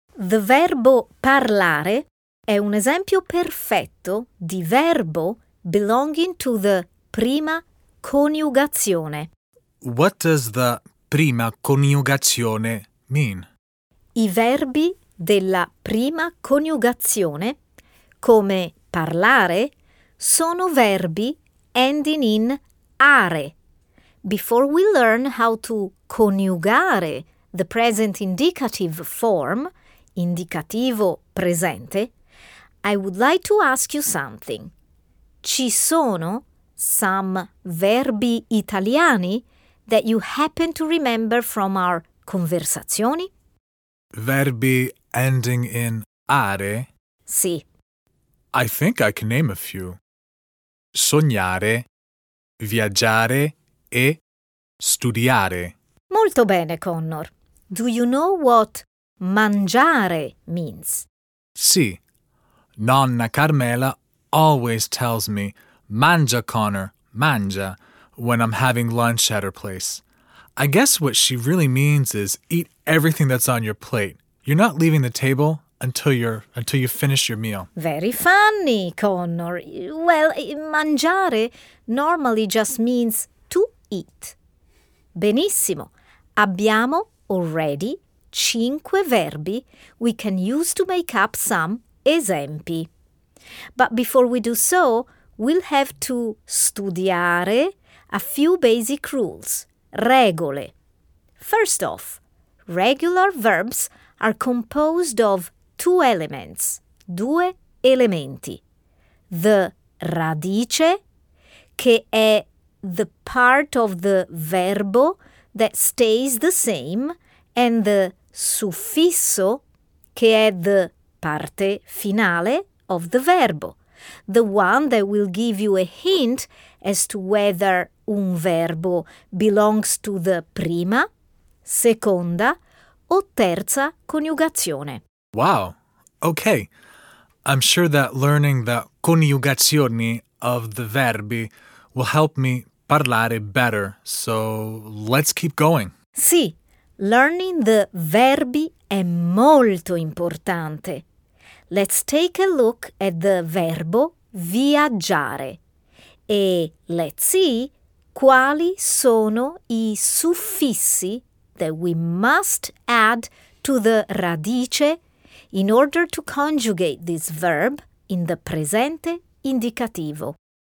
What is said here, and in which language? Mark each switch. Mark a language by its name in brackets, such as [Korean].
[English] The [Italian] verbo parlare è un esempio perfetto di verbo [English] belonging to the [Italian] prima coniugazione. [English] What does the [Italian] prima coniugazione [English] mean? [Italian] I verbi della prima coniugazione, come parlare, sono verbi [English] ending in [Italian] are. [English] Before we learn how to coniugare the present indicative form, [Italian] indicativo presente, [English] I would like to ask you something. [Italian] Ci sono [English] some [Italian] verbi italiani [English] that you happen to remember from our conversazioni? Verbi ending in are? [Italian] Sì. [English] I think I can name a few. [Italian] Sognare, viaggiare e studiare. Molto bene, Connor. [English] Do you know what mangiare means? [Italian] Sì. [English] Nonna Carmela always tells me, [Italian] mangia, Connor, mangia, [English] when I'm having lunch at her place. I guess what she really means is eat everything that's on your plate. You're not leaving the table until you finish your meal. Very funny, Connor. Well, mangiare normally just means to eat. [Italian] Benissimo. Abbiamo [English] already 5 verbi we can use to make up some esempi. But before we do so, we'll have to studiare a few basic rules, regole. First off, regular verbs are composed of 2 elements, [Italian] 2 elementi. [English] The radice, [Italian] che è [English] the part of the verbo that stays the same, and the suffisso, che è the [Italian] parte finale [English] of the verbo. The one that will give you a hint as to whether [Italian] un verbo [English] belongs to the [Italian] prima, seconda o terza coniugazione. [English] Wow, okay. I'm sure that learning the coniugazioni of the verbi will help me parlare better, so let's keep going. [Italian] Sì, [English] learning the [Italian] verbi è molto importante. [English] Let's take a look at the verbo viaggiare e let's see [Italian] quali sono I suffissi [English] that we must add to the radice in order to conjugate this verb in the [Italian] presente indicativo.